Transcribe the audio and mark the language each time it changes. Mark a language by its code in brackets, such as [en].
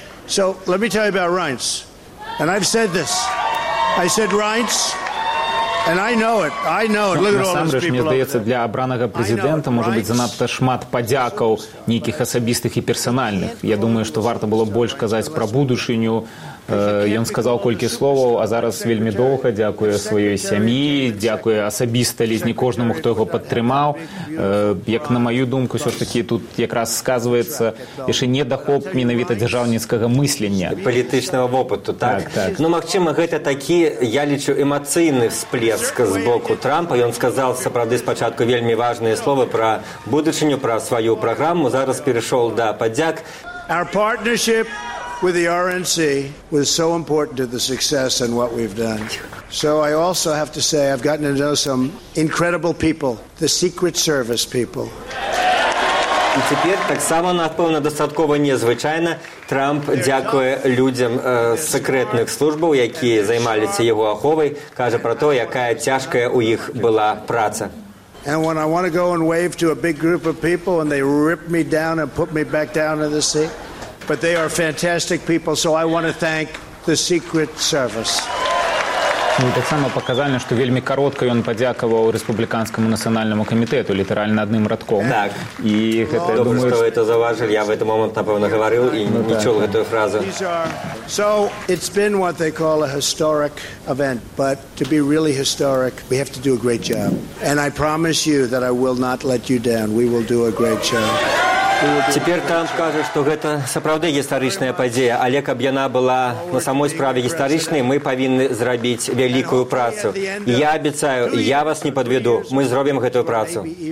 [en] So let me tell you about Reince. And I've said this. I said Reince. And I know it. I know it. Look at all those people. [be] Насамрэч, мне здаецца, для абранага прэзідэнта можа быць занадта шмат падзякаў, нейкіх асабістых і персанальных. Я думаю, што варта было больш казаць пра будучыню. Ён сказаў колькі словаў, а зараз вельмі доўга дзякуе сваёй сям'і, дзякуе асабіста лізні кожнаму, хто яго падтрымаў. Як на маю думку, ўсё ж такі тут якраз сказваецца яшчэ недахоп менавіта дзяржаўніцкага мыслення. Палітычнага вопыту, так? Так. Ну, магчыма, гэта такі, я лічу, эмацыйны всплеск з боку Трампа. Ён сказаў, сапраўды, спачатку вельмі важныя словы пра будучыню, пра сваю праграму. Зараз перайшоў да падзяк. [en] Our partnership with the RNC was so important to the success and what we've done. So I also have to say I've gotten to know some incredible people, the Secret Service people. [uk] І тепер так само, напевно, достатково незвичайно, Трамп дякує людям секретних служб, які займалися його аховою, каже про те, яка тяжка у їх була праця. [en] And when I want to go and wave to a big group of people and they rip me down and put me back down to the seat, but they are fantastic people, so I want to thank the Secret Service. [be] Таксама паказальна, што вельмі каротка ён падзякаваў рэспубліканскаму нацыянальнаму камітэту літаральна адным радком. Так. І гэта, я думаю, што вы это заважылі. Я в гэты момант, напэўна, гаварыў і не чул гэтую фразу. [en] So it's been what they call a historic event, but to be really historic, we have to do a great job. And I promise you that I will not let you down. We will do a great job. [be] Цяпер Трамп кажа, што гэта сапраўды гістарычная падзея, але каб яна была на самой справе гістарычнай, мы павінны зрабіць вялікую працу. І я абяцаю, я вас не падведу, мы зробім гэтую працу.